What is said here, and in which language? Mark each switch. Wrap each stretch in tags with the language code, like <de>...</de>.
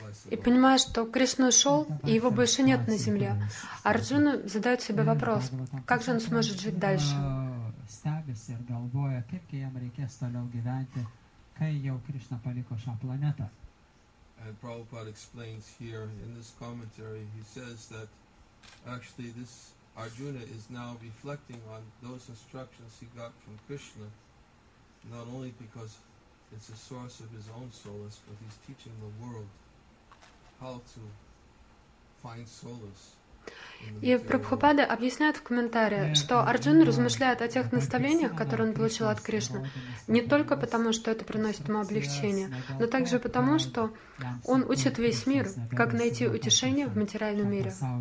<ru>И понимая, что Кришна ушел, и его больше нет на земле, Арджуна задает себе вопрос, как же он сможет жить дальше?</ru> <lt>Стебясь и galvoja, как же ему reikės toliau gyventi, kai jau Krishna paliko šią planetą.</lt> <en>And Prabhupada explains here in this commentary, he says that actually this Arjuna is now reflecting on those instructions he got from Krishna, not only because it's a source of his own solace, but he's teaching the world how to find solace.</en> <ru>И Прабхупада объясняет в комментарии, что Арджуна размышляет о тех наставлениях, которые он получил от Кришны, не только потому, что это приносит ему облегчение, но также потому, что он учит весь мир, как найти утешение в материальном мире.</ru>